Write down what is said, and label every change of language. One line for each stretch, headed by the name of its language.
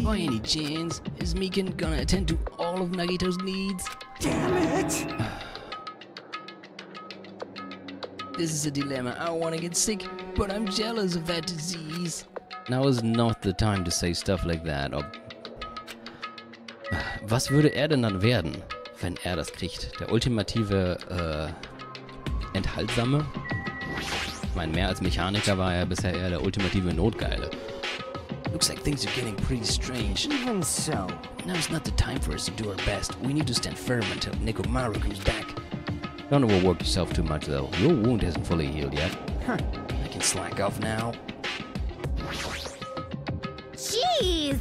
English: By any chance, is Mikan gonna attend to all of Nagito's needs? Damn it! This is a dilemma. I wanna get sick, but I'm jealous of that disease. Now is not the time to say stuff like that.
German: Was würde er denn dann werden, wenn er das kriegt? Der ultimative, Enthaltsame? Ich meine, mehr als Mechaniker war er bisher eher der ultimative Notgeile.
English: Looks like things are getting pretty strange. Even so. Now's not the time for us to do our best. We need to stand firm until Nekomaru comes back. Don't overwork yourself too much, though. Your wound hasn't fully healed yet. Huh. I can slack off now. Jeez!